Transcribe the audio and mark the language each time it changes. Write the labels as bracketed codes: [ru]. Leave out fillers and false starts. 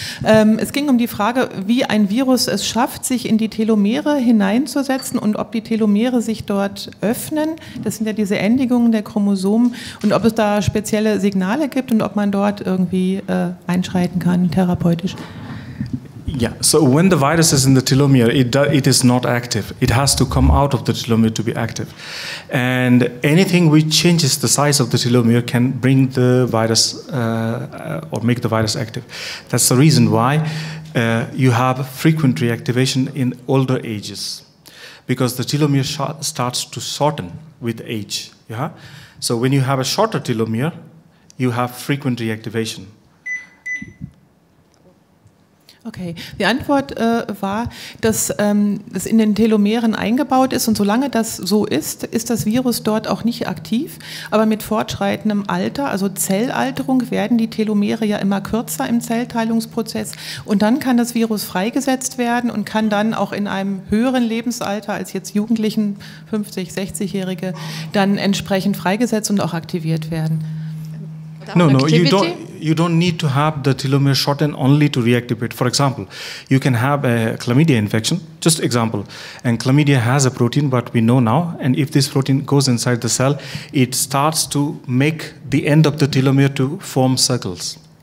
[de] Es ging um die Frage, wie ein Virus es schafft, sich in die Telomere hineinzusetzen und ob die Telomere sich dort öffnen. Das sind ja diese Endigungen der Chromosomen und ob es da spezielle Signale gibt und ob man dort irgendwie einschreiten kann, therapeutisch. [en] Yeah, so when the virus is in the telomere, it is not active. It has to come out of the telomere to be active. And anything which changes the size of the telomere can bring the virus or make the virus active. That's the reason why you have frequent reactivation in older ages, because the telomere starts to shorten with age. Yeah? So when you have a shorter telomere, you have frequent reactivation. [de] Okay, die Antwort war, dass das in den Telomeren eingebaut ist und solange das so ist, ist das Virus dort auch nicht aktiv, aber mit fortschreitendem Alter, also Zellalterung, werden die Telomere ja immer kürzer im Zellteilungsprozess und dann kann das Virus freigesetzt werden und kann dann auch in einem höheren Lebensalter als jetzt Jugendlichen, 50, 60-Jährige, dann entsprechend freigesetzt und auch aktiviert werden. [en] No, you don't need to have the telomere shortened only to reactivate. For example, you can have a chlamydia infection, just example, and chlamydia has a protein, but we know now, and if this protein goes inside the cell, it starts to make the end of the telomere to form circles.